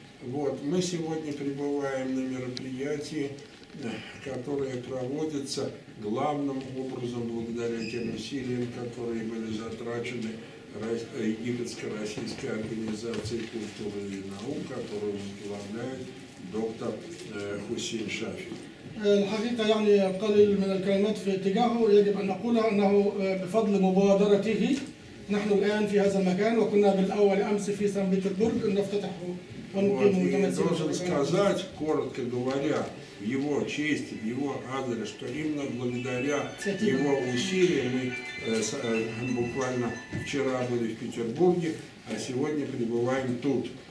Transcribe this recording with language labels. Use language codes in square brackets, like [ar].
[ru] Вот, мы сегодня пребываем на мероприятии, которое проводится главным образом благодаря тем усилиям, которые были затрачены египетско-российской организацией культуры и наук, которую возглавляет доктор Хусейн Шафи. [ar] الحقيقة يعني قليل من الكلمات في اتجاهه يجب أن نقول أنه بفضل مبادرته نحن الآن في هذا المكان وكنا بالأول أمس في سان بيترسبورغ نفتتحه ونقيم [ru] должен сказать, коротко говоря, в его честь, в его адрес, что именно благодаря его усилиям мы буквально вчера были в Петербурге, а сегодня пребываем тут.